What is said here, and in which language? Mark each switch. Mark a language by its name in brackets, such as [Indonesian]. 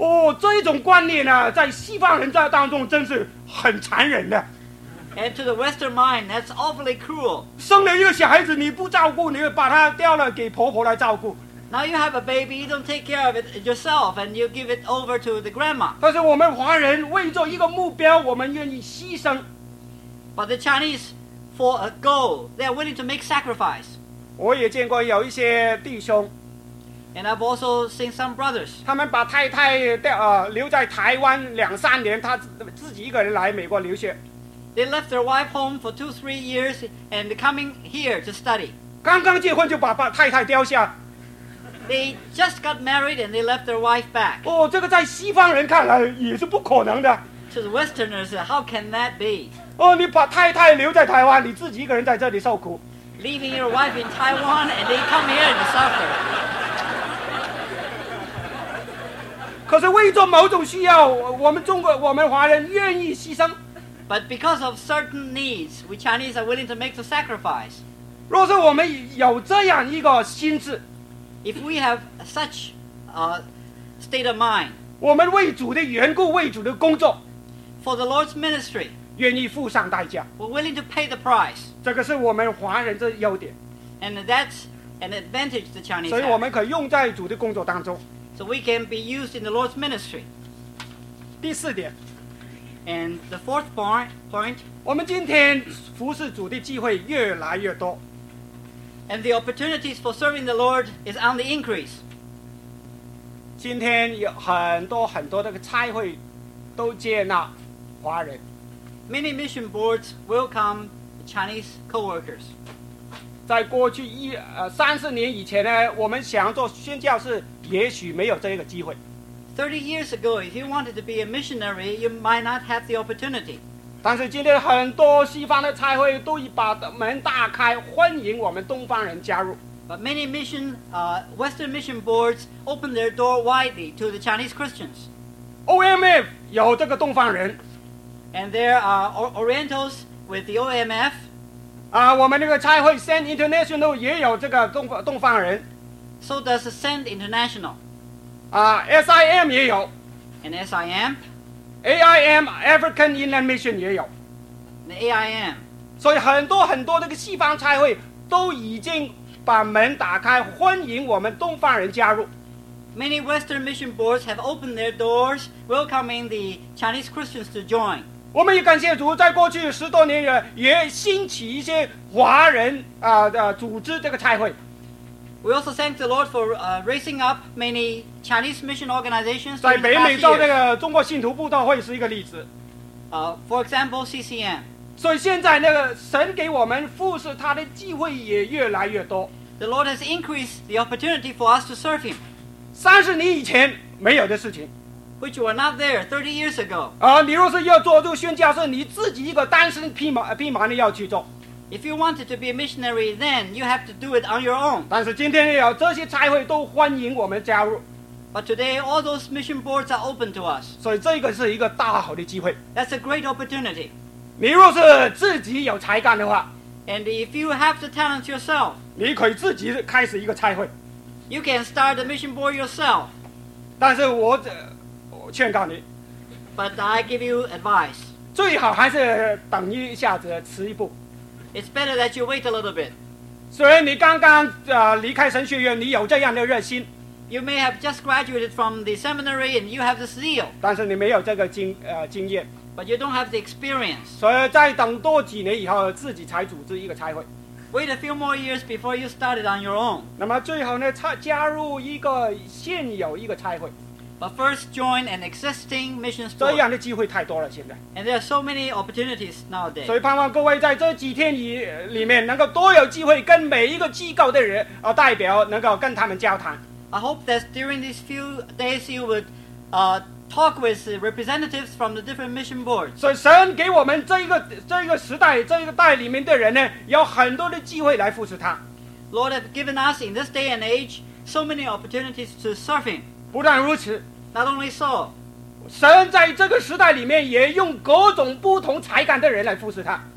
[Chinese] 哦，这一种观念呢，在西方人在当中真是很残忍的。 [English] And to the Western mind, that's awfully cruel. [Chinese] 生了一个小孩子，你不照顾，你把他掉了给婆婆来照顾。 [English] Now you have a baby, you don't take care of it yourself, and you give it over to the grandma. [Chinese] 但是我们华人为着一个目标，我们愿意牺牲。 [English] But the Chinese, for a goal, they are willing to make sacrifice. [Chinese] 我也见过有一些弟兄。 [English] And I've also seen some brothers. [Chinese] 他们把太太留在台湾两三年，他自己一个人来美国留学。 [English] They left their wife home for 2-3 years and coming here to study. [Chinese] 刚刚结婚就把太太丢下。 [English] They just got married and they left their wife back. [Chinese] 哦，这个在西方人看来也是不可能的。 [English] To the Westerners, how can that be? [Chinese] 哦，你把太太留在台湾，你自己一个人在这里受苦。 [English] Leaving your wife in Taiwan and they come here to suffer. [Chinese] 可是为着某种需要，我们中国我们华人愿意牺牲。 [English] But because of certain needs, we Chinese are willing to make the sacrifice. [Chinese] 若是我们有这样一个心智， [English] if we have such a state of mind, [Chinese] 我们为主的缘故，为主的工作， [English] for the Lord's ministry, [Chinese] 愿意付上代价， [English] we're willing to pay the price. [Chinese] 这个是我们华人的优点， [English] and that's an advantage the Chinese have. [Chinese] 所以我们可以用在主的工作当中， [English] so we can be used in the Lord's ministry. [Chinese] 第四点。 [English] And the fourth point, [Chinese] 我们今天服侍主的机会越来越多。 [English] And the opportunities for serving the Lord is on the increase. [Chinese] 今天有很多很多的差会都接纳华人。 [English] Many mission boards welcome Chinese co-workers. [Chinese] 在过去30年以前呢，我们想做宣教士，也许没有这个机会。 [English] 30 years ago, if you wanted to be a missionary, you might not have the opportunity. [Chinese] 但是今天很多西方的差会都把门大开，欢迎我们东方人加入。 [English] But many mission, Western mission boards open their door widely to the Chinese Christians. [Chinese] OMF 有这个东方人。 [English] And there are Orientals with the OMF. [Chinese] 我们那个差会 Send International 也有这个东方人。 [English] So does the Send International. [Chinese] SIM 也有 [English] and SIM [Chinese] AIM African Inland Mission 也有 [English] the AIM [Chinese] 所以很多很多这个西方差会都已经把门打开欢迎我们东方人加入 [English] Many Western Mission Boards have opened their doors welcoming the Chinese Christians to join [Chinese] 我们也感谢主在过去10多年也兴起一些华人组织这个差会 [English] We also thank the Lord for raising up many Chinese mission organizations. [Chinese] 在北美洲那个中国信徒布道会是一个例子。 [English] For example, CCM. [Chinese] 所以现在那个神给我们服侍他的机会也越来越多。 [English] The Lord has increased the opportunity for us to serve Him. [Chinese] 30年以前没有的事情。 [English] Which were not there 30 years ago. [Chinese] 你若是要做这个宣教士，你自己一个单身匹马的要去做。 [English] If you wanted to be a missionary, then you have to do it on your own. [Chinese] 但是今天有这些差会都欢迎我们加入。 [English] But today, all those mission boards are open to us. [Chinese] 所以这个是一个大好的机会。 [English] That's a great opportunity. [Chinese] 你若是自己有才干的话 [English] And if you have the talent yourself, [Chinese] 你可以自己开始一个差会。 [English] You can start the mission board yourself. [Chinese] 但是我劝告你。 [English] But I give you advice. [Chinese] 最好还是等一下子迟一步。 [English] It's better that you wait a little bit. [Chinese] 虽然你刚刚离开神学院，你有这样的热心。 [English] You may have just graduated from the seminary and you have the zeal. [Chinese] 但是你没有这个经验。 [English] But you don't have the experience. [Chinese] 所以再等多几年以后，自己才组织一个差会。 [English] Wait a few more years before you started on your own. [Chinese] 那么最好呢，加入一个现有一个差会。 [English] But first join an existing mission board. [Chinese] 这样的机会太多了现在。 [English] And there are so many opportunities nowadays. [Chinese] 所以盼望各位在这几天里面能够多有机会跟每一个机构的人代表能够跟他们交谈。 [English] I hope that during these few days you would talk with representatives from the different mission boards. [Chinese] 所以神给我们这个时代这个代里面的人呢，有很多的机会来服侍他。 [English] Lord has given us in this day and age so many opportunities to serve him. [Chinese] 不但如此， [English] Not only so, [Chinese] 神在这个时代里面也用各种不同才干的人来服侍他。